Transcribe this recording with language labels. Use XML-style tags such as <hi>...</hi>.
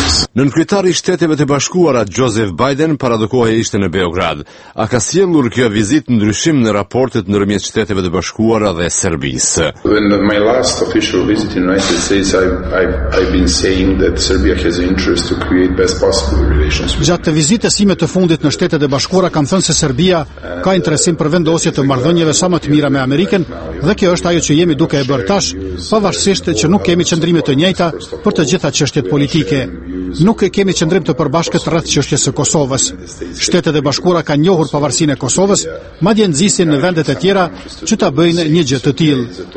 <sq>Nënkryetari i Shteteve të Bashkuara Joseph Biden paradokohej ishte në Beograd. A ka sjellur kjo vizitë ndryshim në raportet ndërmjet Shteteve të Bashkuara dhe Serbisë?</sq> <en>In my last official visit in the United States, I've been saying that Serbia has an interest to create best possible relations.</en> <sq>Gjatë vizitës sime të fundit në Shtetet e Bashkuara kam thënë se Serbia ka interesim për vendosje të marrëdhënieve sa më të mira me Amerikën, dhe kjo është ajo që jemi duke e bërë tash, pavarësisht që nuk kemi qëndrime të njëjta për të gjitha çështjet politike. Nuk kemi qëndrim të përbashkët rreth çështjes së Kosovës. Shtetet e Bashkuara kanë njohur pavarësinë e Kosovës, madje nxisin në vendet e tjera që ta bëjnë një gjë të tillë.</sq>